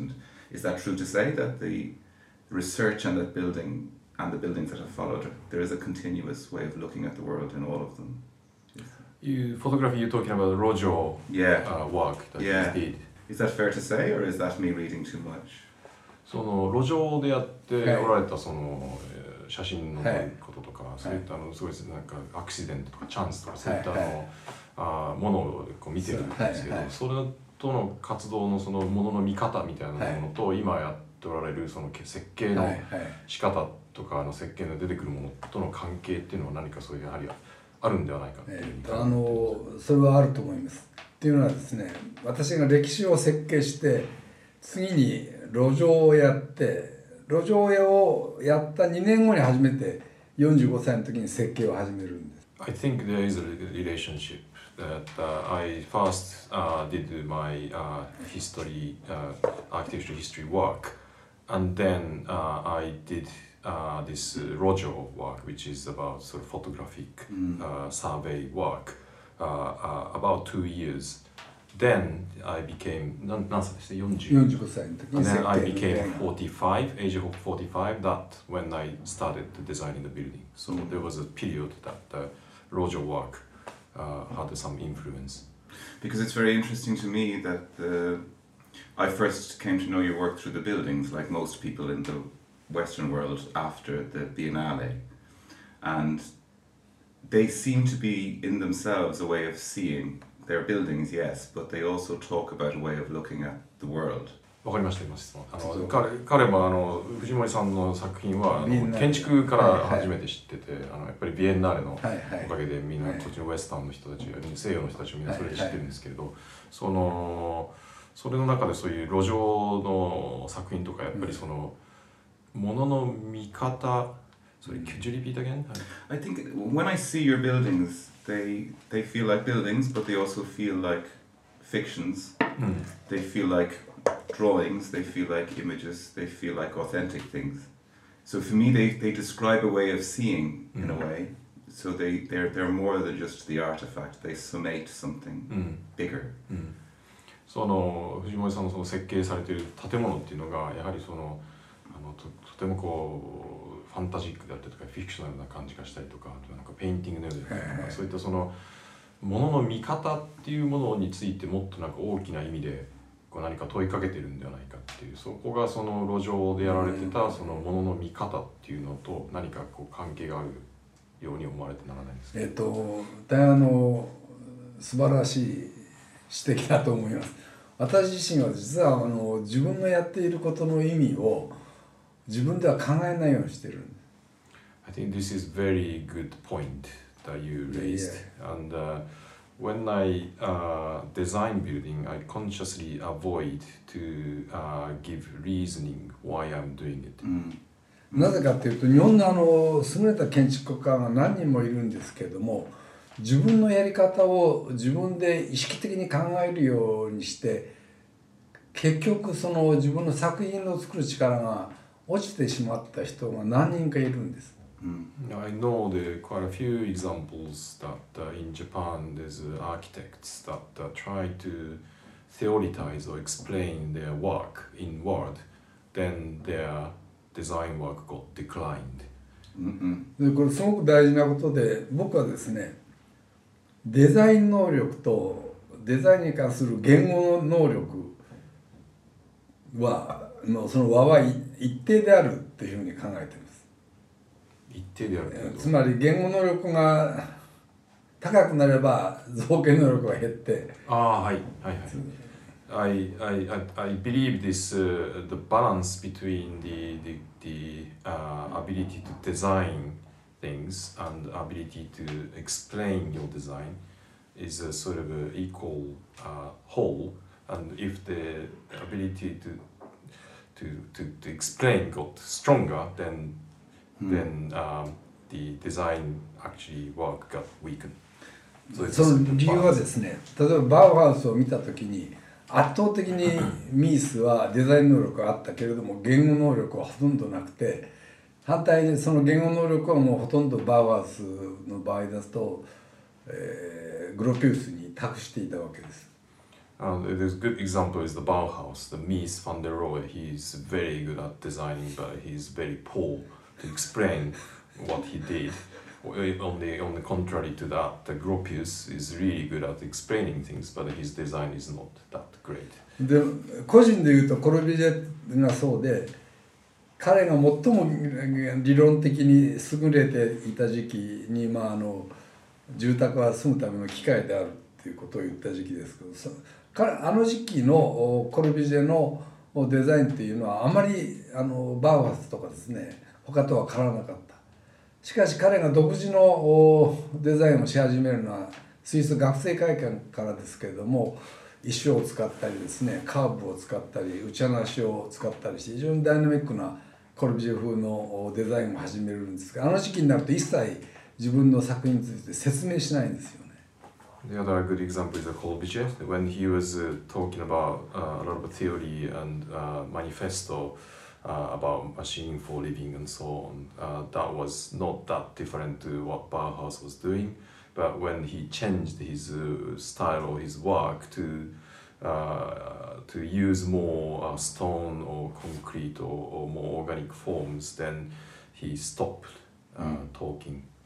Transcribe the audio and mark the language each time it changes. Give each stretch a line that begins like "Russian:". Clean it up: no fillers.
English: And is that true to say that the research and that building and the buildings that have followed, there is a continuous way of looking at the world in all of them? You photography, you're talking about the Rojo work that yeah. you did. Is that fair to say, or is that me reading too much?
Japanese: その路上でやっておられたその、写真のこととか、はい、そういったあのすごいですね、なんかアクシデントとかチャンスとか、そういったあの、はい、あものをこう見てるんですけど、はい、それとの活動のそのものの見方みたいなものと、はい、今やっておられるその設計の仕方とか、はい、あの設計で出てくるものとの関係っていうのは何かそういうやはりあるんではないかっていうふうに、それはあると思います。っていうのはですね、私が歴史を設計して次に路上をやって、路上絵をやった2年後に初めて45歳の時に設計を始めるんです。
English: I think there is a relationship that I first did my history, architectural history work, and then I did this Rojo work, which is about sort of photographic survey work. About 2 years, then I became 45. Then I became 45, age of 45. That when I started designing the building. So there was a period that the Rojo work had some influence. Because it's very interesting to me that I first came to know your work through the buildings, like most people in the Western world, after the Biennale, and they seem to be in themselves a way of seeing their buildings, yes, but they also talk about a way of looking at the world.
Japanese: わかりました、今質問。彼もあの藤森さんの作品はあの建築から初めて知ってて、あのやっぱりビエンナーレのおかげでみんなこっちのウェスタンの人たち、西洋の人たちをみんなそれで知ってるんですけれど、そのそれの中でそういう路上の作品とか、やっぱりその物の見方、
English: sorry, could you repeat again? I think when I see your buildings, they feel like buildings, but they also feel like fictions. Mm. They feel like drawings, they feel like images, they feel like authentic things. So for me, they describe a way of seeing, in a way. So they're more than just the artifact, they summate something bigger.
Japanese: その藤森さんのその設計されている建物っていうのが、やはりその、あの、とてもこう、ファンタジックであったりとか、フィクショナルな感じがしたりとか、なんかペインティングのようであったりとか、そういったその物の見方っていうものについて、もっとなんか大きな意味でこう何か問いかけてるんではないかっていう、そこがその路上でやられてたその物の見方っていうのと何かこう関係があるように思われてならないんですか？大変あの素晴らしい指摘だと思います。私自身は実はあの自分がやっていることの意味を自分では考えないようにしてる。
English: I think this is very good point that you raised. Yeah. And when I design building, I consciously avoid to give reasoning why I'm doing it.
Japanese: なぜかというと、日本のあの優れた建築家が何人もいるんですけども、自分のやり方を自分で意識的に考えるようにして、結局その自分の作品の作る力が落ちてしまった人が何人かいるんです。 Mm. Mm.
English: I know there are quite a few examples that in Japan there's architects that try to theoretize or explain their work in word, then their design work got declined. Mm-hmm.
Japanese: これすごく大事なことで、僕はですね、デザイン能力とデザインに関する言語の能力はのその和は一定であるというふうに考えています。一定であるけど、つまり言語能力が高くなれば造形能力は減って。ああ、はい、はい、はい。
English: I believe this the balance between the ability to design things and ability to explain your design is a sort of a equal whole, and if the ability to explain got stronger, then then the design actually work got weakened. So it's
Japanese: その理由はですね、例えばバウハウスを見たときに圧倒的にミースはデザイン能力があったけれども言語能力はほとんどなくて、反対にその言語能力はもうほとんどバウハウスの場合だと、グロピウスに託していたわけです。
English: The good example is the Bauhaus, the Mies van der Rohe. He's very good at designing, but he's very poor to explain what he did. On the contrary to that, the Gropius is really good at explaining things, but his design is not that great.
Japanese: で、個人で言うとコルビジェがそうで、彼が最も理論的に優れていた時期に、まあ、住宅は住むための機械であるということを言った時期ですけど、あの時期のコルビジェのデザインというのはあまりバウハウスとかですね、他とは変わらなかった。しかし彼が独自のデザインをし始めるのはスイス学生会館からですけれども、石を使ったりですね、カーブを使ったり打ち放しを使ったりして非常にダイナミックなコルビジェ風のデザインを始めるんですが、あの時期になると一切自分の作品について説明しないんですよね。
English: The other good example is Corbusier. When he was talking about a lot of theory and manifestoabout machining for living and so on, that was not that different to what Bauhaus was doing. But when he changed his style or his work to use more stone or concrete or more organic forms, then he stopped talking.